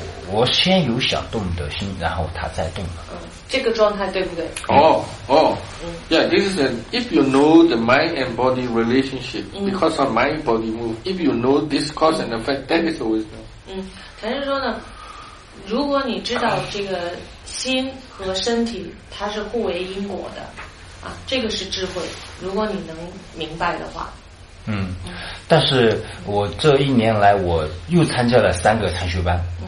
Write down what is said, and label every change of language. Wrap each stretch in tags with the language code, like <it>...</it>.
<zh>我先有想动的心，然后它再动了。嗯，这个状态对不对？</zh> <en>哦，嗯 ，Yeah， this is if you know the mind and body relationship because of mind body move. If you know this cause and effect, that is the wisdom.</en> <zh>嗯，禅师说呢？如果你知道这个心和身体它是互为因果的，啊，这个是智慧。如果你能明白的话，嗯，但是我这一年来我又参加了3个禅修班，</zh>